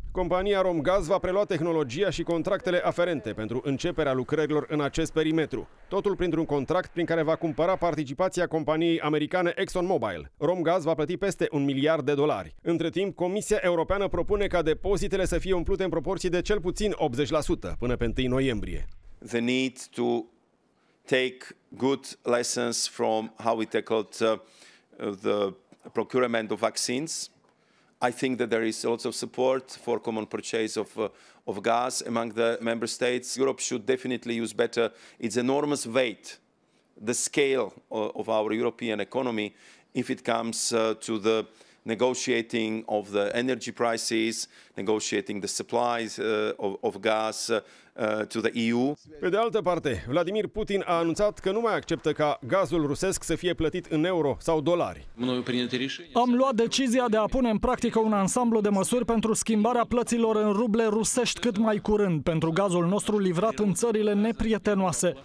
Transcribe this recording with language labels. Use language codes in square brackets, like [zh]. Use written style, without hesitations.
[ro] Compania RomGaz va prelua tehnologia și contractele aferente pentru începerea lucrărilor în acest perimetru, totul printr-un contract prin care va cumpăra participația companiei americane ExxonMobil. RomGaz va plăti peste $1 miliard. Între timp, Comisia Europeană propune ca depozitele să fie umplute în proporții de cel puțin 80% până pe 1 noiembrie. [en] The need to take good lessons from how we tackled the procurement of vaccines. I think that there is lots of support for common purchase of gas among the member states. Europe should definitely use better its enormous weight, the scale of our European economy, if it comes to the negotiating of the energy prices, negotiating the supplies of gas to the EU. [ro] Pe de altă parte, Vladimir Putin a anunțat că nu mai acceptă ca gazul rusesc să fie plătit în euro sau dolari. Am luat decizia de a pune în practică un ansamblu de măsuri pentru schimbarea plăților în ruble rusești cât mai curând pentru gazul nostru livrat în țările neprietenoase.